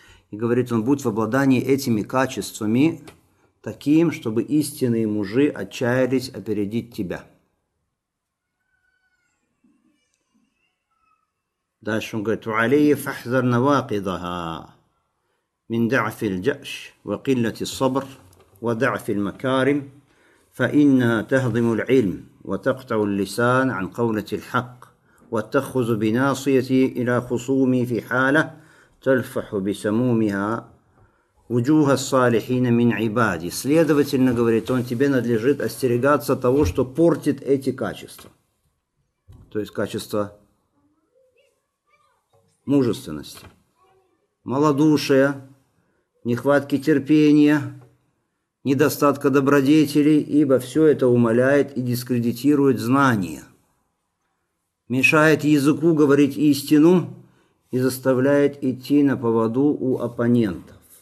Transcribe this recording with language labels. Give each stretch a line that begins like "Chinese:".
Russian: И говорит он, будь в обладании этими качествами таким, чтобы истинные мужи отчаялись опередить тебя. Дальше он говорит,
Arabic: «Валии фахзар наваакидага». من ضعف الجأش وقلة الصبر وضعف المكارم فإنها تهضم العلم وتقطع اللسان عن قولة الحق وتأخذ بناصيتي إلى خصومي في حالة تلفح بسمومها وجوه الصالحين من عبادي.
Russian: Следовательно, говорит он, тебе надлежит остерегаться того, что портит эти качества. То есть качество мужественности. Малодушие, нехватки терпения, недостатка добродетелей, ибо все это умаляет и дискредитирует знания, мешает языку говорить истину и заставляет идти на поводу у оппонентов.